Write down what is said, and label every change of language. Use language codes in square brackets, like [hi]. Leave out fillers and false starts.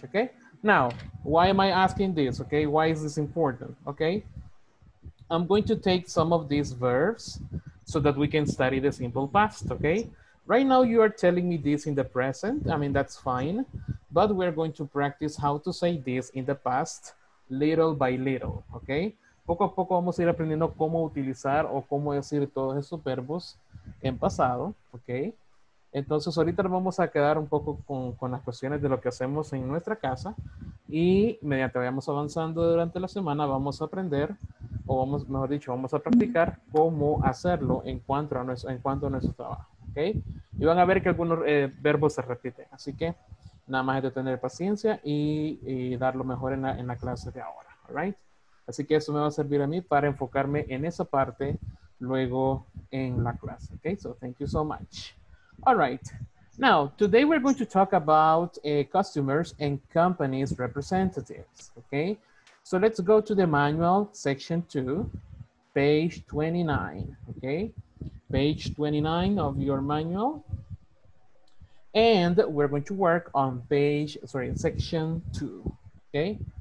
[en] Okay, now, why am I asking this? Okay, why is this important? Okay, I'm going to take some of these verbs so that we can study the simple past, okay? Right now you are telling me this in the present. I mean, that's fine, but we're going to practice how to say this in the past little by little, okay? [es] Poco a poco vamos a ir aprendiendo cómo utilizar o cómo decir todos esos verbos en pasado, okay? Entonces ahorita vamos a quedar un poco con las cuestiones de lo que hacemos en nuestra casa y mediante vayamos avanzando durante la semana vamos a aprender o vamos, mejor dicho, vamos a practicar cómo hacerlo en cuanto a nuestro trabajo, okay? Y van a ver que algunos verbos se repiten, así que nada más es de tener paciencia y dar lo mejor en la clase de ahora, alright? Así que eso me va a servir a mí para enfocarme en esa parte luego en la clase, okay? [en] So thank you so much. All right, now today we're going to talk about customers and companies representatives, okay? So let's go to the manual, section 2, page 29, okay? Page 29 of your manual. And we're going to work on section 2, okay?